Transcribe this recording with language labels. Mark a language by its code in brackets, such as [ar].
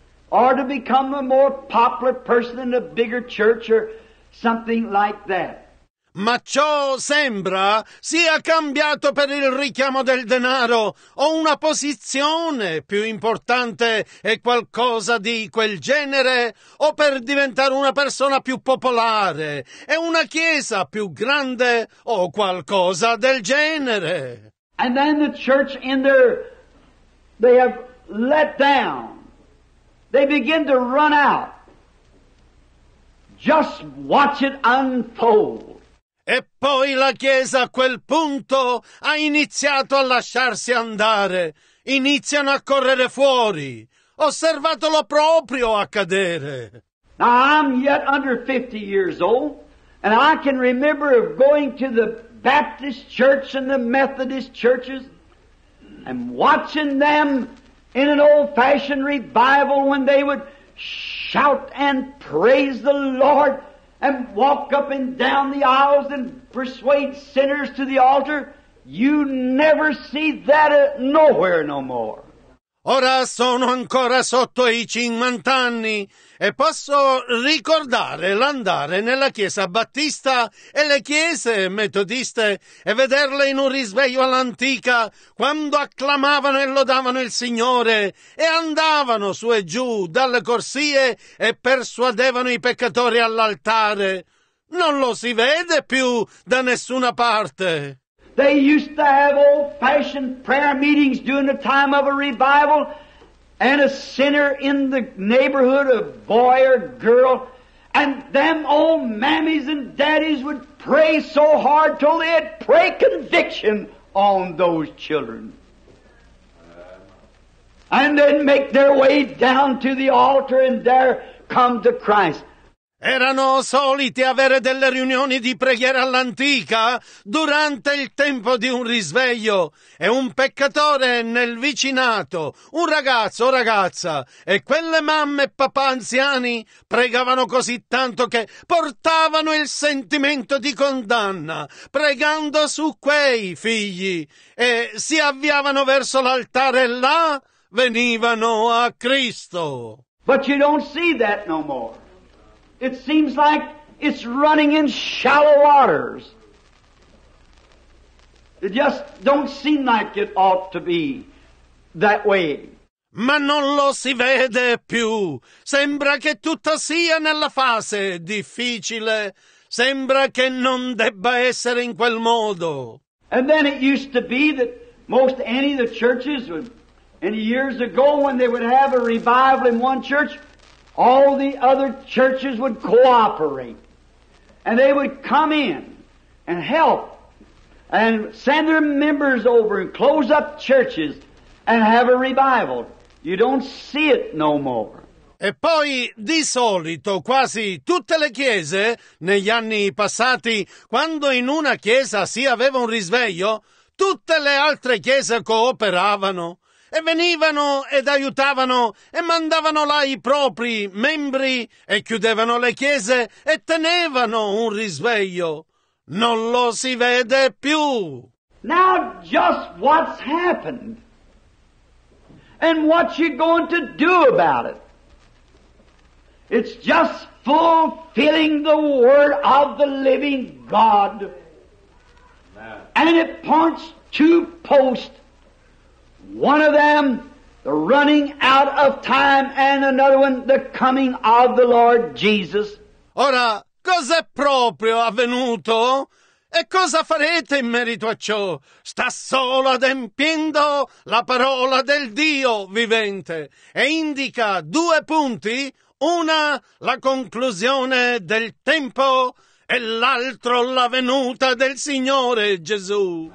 [en] Or to become a more popular person in a bigger church or something like that. [it] Ma ciò sembra sia cambiato per il richiamo del denaro o una posizione più importante e qualcosa di quel genere o per diventare una persona più popolare e una chiesa più grande o qualcosa del genere. [en] And then the church in there, they have let down. They begin to run out. Just watch it unfold. [it] E poi la chiesa a quel punto ha iniziato a lasciarsi andare. Iniziano a correre fuori. Osservatelo proprio accadere. [en] Now I'm yet under 50 years old, and I can remember of going to the Baptist church and the Methodist churches, and watching them in an old-fashioned revival when they would shout and praise the Lord and walk up and down the aisles and persuade sinners to the altar, you never see that nowhere no more. [it] Ora sono ancora sotto i 50 anni e posso ricordare l'andare nella chiesa battista e le chiese metodiste e vederle in un risveglio all'antica quando acclamavano e lodavano il Signore e andavano su e giù dalle corsie e persuadevano i peccatori all'altare. Non lo si vede più da nessuna parte. [en] They used to have old-fashioned prayer meetings during the time of a revival, and a sinner in the neighborhood, a boy or girl, and them old mammies and daddies would pray so hard till they'd pray conviction on those children. and then make their way down to the altar, and there come to Christ. [it] Erano soliti avere delle riunioni di preghiera all'antica durante il tempo di un risveglio, e un peccatore nel vicinato, un ragazzo o ragazza, e quelle mamme e papà anziani pregavano così tanto che portavano il sentimento di condanna pregando su quei figli, e si avviavano verso l'altare e là venivano a Cristo. [en] But you don't see that no more. It seems like it's running in shallow waters. It just don't seem like it ought to be that way. [it] Ma non lo si vede più. Sembra che tutto sia nella fase difficile. Sembra che non debba essere in quel modo. [en] And then it used to be that most any of the churches, would, any years ago when they would have a revival in one church, all the other churches would cooperate, and they would come in and help and send their members over and close up churches and have a revival. You don't see it no more. [it] E poi, di solito, quasi tutte le chiese, negli anni passati, quando in una chiesa si aveva un risveglio, tutte le altre chiese cooperavano. E venivano ed aiutavano e mandavano là i propri membri e chiudevano le chiese e tenevano un risveglio. Non lo si vede più. [en] Now just what's happened and what you're going to do about it. It's just fulfilling the word of the living God. And it points to post. One of them, the running out of time, and another one, the coming of the Lord Jesus. [it] Ora, cos'è proprio avvenuto? E cosa farete in merito a ciò? Sta solo adempiendo la parola del Dio vivente e indica due punti, una la conclusione del tempo e l'altro la venuta del Signore Gesù.